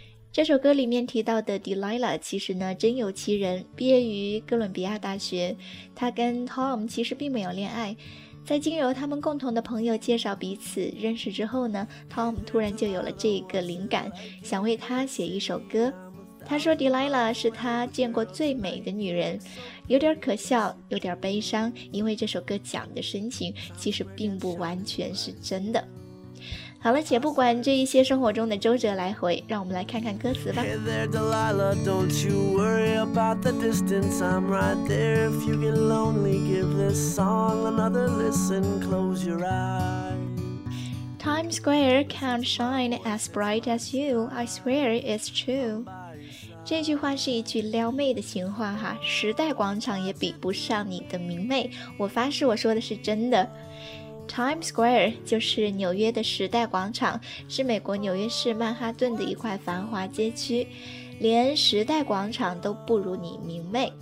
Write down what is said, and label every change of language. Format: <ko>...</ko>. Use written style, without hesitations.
<zh>这首歌里面提到的 Delilah 其实呢真有其人，毕业于哥伦比亚大学，她跟 Tom 其实并没有恋爱，在经由他们共同的朋友介绍彼此认识之后呢， Tom 突然就有了这个灵感，想为她写一首歌。他说 Delilah 是他见过最美的女人，有点可笑有点悲伤，因为这首歌讲的深情其实并不完全是真的。好了，且不管这一些生活中的周折来回，让我们来看看歌词吧。</zh> <en>Hey there Delilah, don't you worry about the distance, I'm right there. If you get lonely, give this song another listen, close your eyes. Times Square can't shine as bright as you, I swear it's true.</en> <zh>这句话是一句撩妹的情话哈，时代广场也比不上你的明媚，我发誓我说的是真的。 Times Square 就是纽约的时代广场，是美国纽约市曼哈顿的一块繁华街区，连时代广场都不如你明媚。</zh>